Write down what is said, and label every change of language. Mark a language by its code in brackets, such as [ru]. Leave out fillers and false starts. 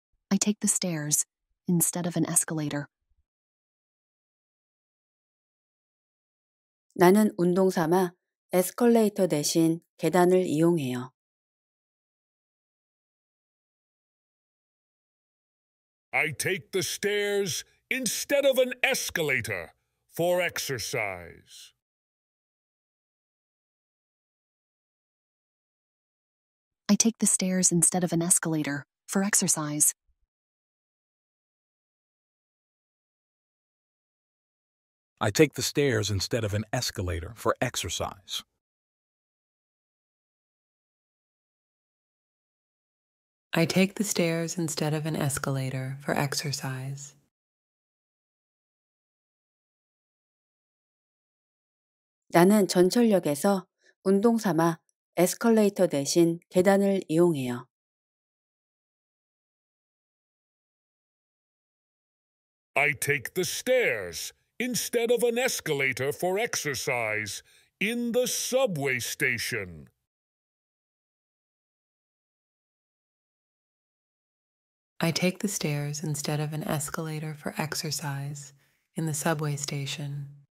[en] I take the stairs instead of an escalator. [ko] 나는 운동 삼아 에스컬레이터 대신 계단을 이용해요. [en] I take the stairs instead of an escalator for exercise. I take the stairs instead of an escalator for exercise. I take the stairs instead of an escalator for exercise. I take the stairs instead of an escalator for exercise. I take the stairs instead of an escalator for exercise. [ko] 나는 전철역에서 운동 삼아 에스컬레이터 대신 계단을 이용해요. [en] I take the stairs instead of an escalator for exercise in the subway station. I take the stairs instead of an escalator for exercise in the subway station.